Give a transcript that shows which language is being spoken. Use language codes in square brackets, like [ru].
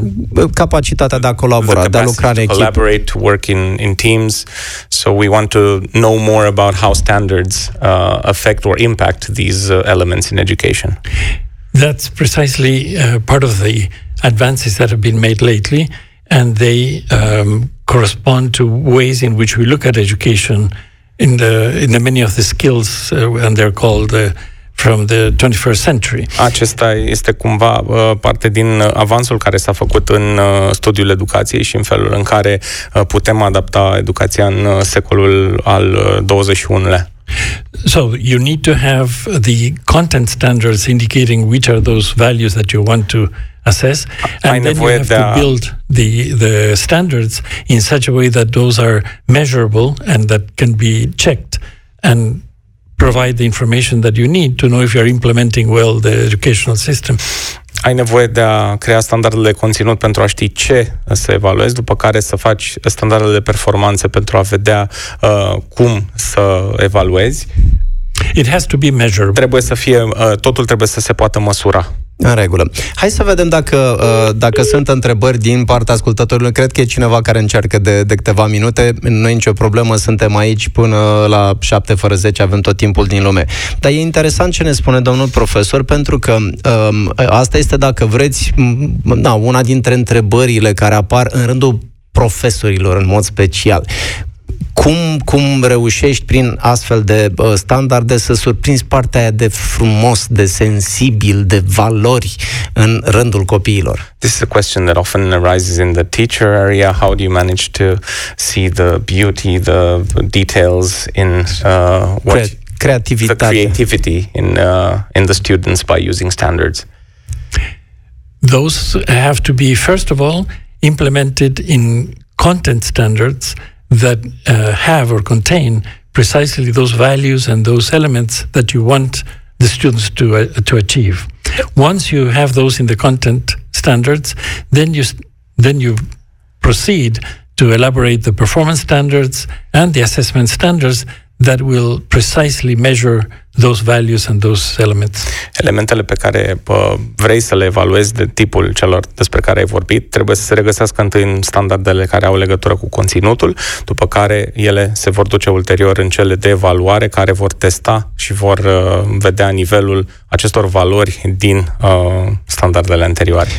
[ro] capacitatea de a colabora, de a lucra în echipă, [en] collaborate, work in teams. So we want to know more about how standards affect or impact these elements in education. That's precisely part of the advances that have been made lately, and they correspond to ways in which we look at education in the many of the skills and they're called from the 21st century. [ro] Acesta este cumva parte din avansul care s-a făcut în studiul educației și în felul în care putem adapta educația în secolul al 21-lea. [en] So you need to have the content standards indicating which are those values that you want to assess, and then you have to build the standards in such a way that those are measurable and that can be checked and provide the information that you need to know if you are implementing well the educational system. [ro] Ai nevoie de a crea standardele de conținut pentru a ști ce să evaluezi, după care să faci standardele de performanță pentru a vedea cum să evaluezi. [en] It has to be measurable. [ro] Trebuie să fie, totul trebuie să se poată măsura. În regulă. Hai să vedem dacă sunt întrebări din partea ascultătorilor. Cred că e cineva care încearcă de câteva minute. Nu e nicio problemă, suntem aici până la 7 fără 10, avem tot timpul din lume. Dar e interesant ce ne spune domnul profesor, pentru că asta este, dacă vreți, una dintre întrebările care apar în rândul profesorilor în mod special. Cum reușești prin astfel de standarde să surprinzi partea aia de frumos, de sensibil, de valori în rândul copiilor? [en] This is a question that often arises in the teacher area. How do you manage to see the beauty, the details in [ro] creativitate. [en] The creativity in the students by using standards? Those have to be, first of all, implemented in content standards that have or contain precisely those values and those elements that you want the students to achieve. Once you have those in the content standards, then you proceed to elaborate the performance standards and the assessment standards that will precisely measure those values and those elements. [ro] Elementele pe care vrei să le evaluezi, de tipul celor despre care ai vorbit, trebuie să se regăsească întâi în standardele care au legătură cu conținutul, după care ele se vor duce ulterior în cele de evaluare, care vor testa și vor vedea nivelul acestor valori din standardele anterioare.